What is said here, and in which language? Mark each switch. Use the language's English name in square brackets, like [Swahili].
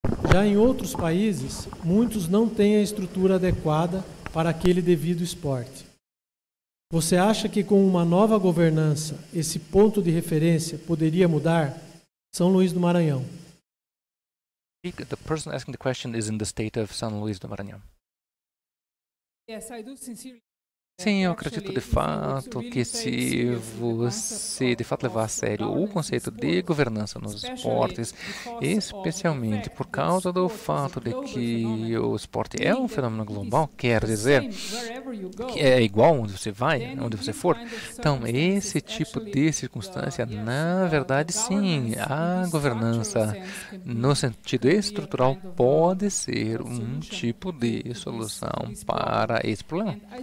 [Portuguese] Já em outros países, muitos não têm a estrutura adequada para aquele devido esporte. Você acha que com uma nova governança esse ponto de referência poderia mudar? São Luís do Maranhão. [English] The person asking the question is in the state of San Luis do Maranhão. Yes, I do sincerely. [Portuguese] Sim, eu acredito de fato que se você de fato levar a sério o conceito de governança nos esportes, especialmente por causa do fato de que o esporte é um fenômeno global, quer dizer que é igual onde você vai, onde você for, então esse tipo de circunstância, na verdade, sim, a governança no sentido estrutural pode ser um tipo de solução para esse problema.